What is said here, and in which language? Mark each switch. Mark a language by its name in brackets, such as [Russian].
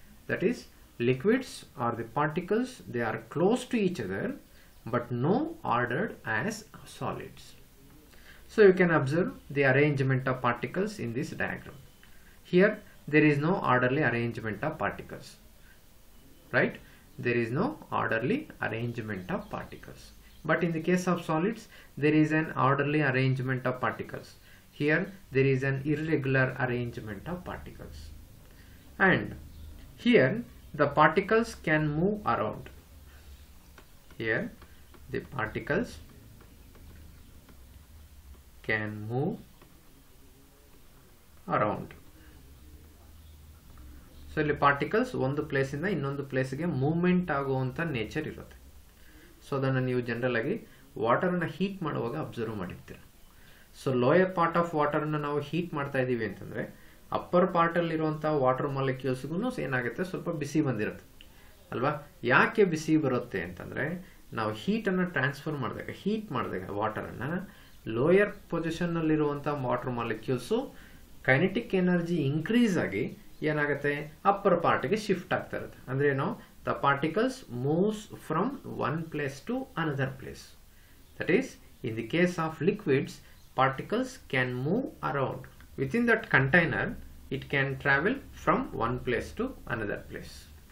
[English] That is liquids are the particles, they are close to each other but no ordered as solids. So you can observe the arrangement of particles in this diagram. Here there is no orderly arrangement of particles, right? There is no orderly arrangement of particles. But in the case of solids, there is an orderly arrangement of particles. Here, there is an irregular arrangement of particles. And here, the particles can move around. Here, the particles can move around. [Kannada] So, [English] the particles, [Kannada] ಒಂದು place ಇಂದ ಇನ್ನೊಂದು ಪ್ಲೇಸ್ಗೆ movement ಆಗುವಂತ nature ಇರುತ್ತೆ. So ಅದನ್ನು ನೀವು general ಆಗಿ ವಾಟರ್ನ heat ಮಾಡುವಾಗ observe ಮಾಡಿರ್ತೀರ. So lower part of ವಾಟರ್ನ ನಾವು ಹೀಟ್ ಮಾಡ್ತಾ ಇದ್ದೀವಿ ಅಂತಂದರೆ ಅಪ್ಪರ್ ಪಾರ್ಟಲ್ಲಿ ಇರುವಂಥ ವಾಟರ್ ಮಾಲಿಕ್ಯೂಲ್ಸ್ಗೂ ಏನಾಗುತ್ತೆ, ಸ್ವಲ್ಪ ಬಿಸಿ ಬಂದಿರುತ್ತೆ ಅಲ್ವಾ. ಯಾಕೆ ಬಿಸಿ ಬರುತ್ತೆ ಅಂತಂದರೆ ನಾವು ಹೀಟನ್ನು ಟ್ರಾನ್ಸ್ಫರ್ ಮಾಡಿದಾಗ, ಹೀಟ್ ಮಾಡಿದಾಗ ವಾಟರನ್ನು, lower ಪೊಸಿಷನ್ನಲ್ಲಿರುವಂಥ water molecules kinetic energy increase ಆಗಿ ಏನಾಗುತ್ತೆ, ಅಪ್ಪರ್ ಪಾರ್ಟ್ಗೆ ಶಿಫ್ಟ್ ಆಗ್ತಾ ಇರುತ್ತೆ. ಅಂದರೆ ಏನು, [English] the particles moves from one place to another place. That is, in the case of liquids, particles can move around. Within that container, it can travel from one place to another place.